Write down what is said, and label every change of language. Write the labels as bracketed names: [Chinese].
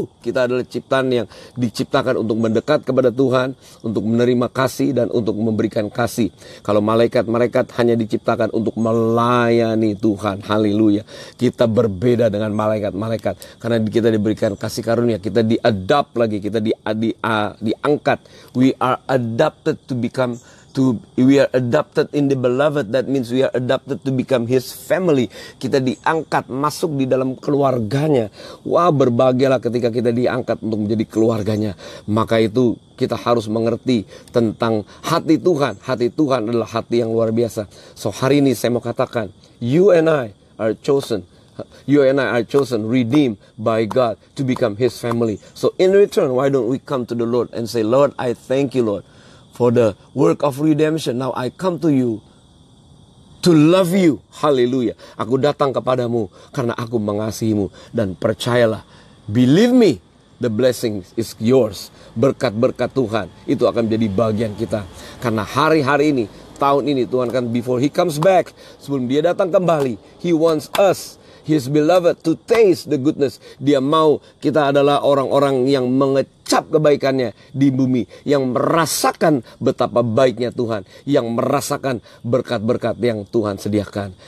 [Indonesian] Kita adalah ciptaan yang diciptakan untuk mendekat kepada Tuhan, untuk menerima kasih dan untuk memberikan kasih. Kalau malaikat-malaikat hanya diciptakan untuk melayani Tuhan, haleluya. Kita berbeda dengan malaikat-malaikat karena kita diberikan kasih karunia. Kita diadopt lagi, kita diangkat. [English] We are adopted to become we are adopted in the beloved. That means we are adopted to become his family. [Indonesian] Kita diangkat masuk di dalam keluarganya. Wah, berbahagialah ketika kita diangkat untuk menjadi keluarganya. Maka itu kita harus mengerti tentang hati Tuhan. Hati Tuhan adalah hati yang luar biasa. So hari ini saya mau katakan, [English] you and I are chosen. You and I are chosen, redeemed by God to become his family. So in return, why don't we come to the Lord and say, Lord, I thank you, Lord, for the work of redemption. Now I come to you to love you. Hallelujah. [Indonesian] Aku datang kepadamu karena aku mengasihimu. Dan percayalah, [English] believe me, the blessing is yours. [Indonesian] Berkat-berkat Tuhan itu akan menjadi bagian kita. Karena hari-hari ini, tahun ini, Tuhan kan [English] before he comes back, [Indonesian] sebelum dia datang kembali, [English] he wants us, his beloved, to taste the goodness. [Indonesian] Dia mau kita adalah orang-orang yang mengecap kebaikannya di bumi, yang merasakan betapa baiknya Tuhan, yang merasakan berkat-berkat yang Tuhan sediakan.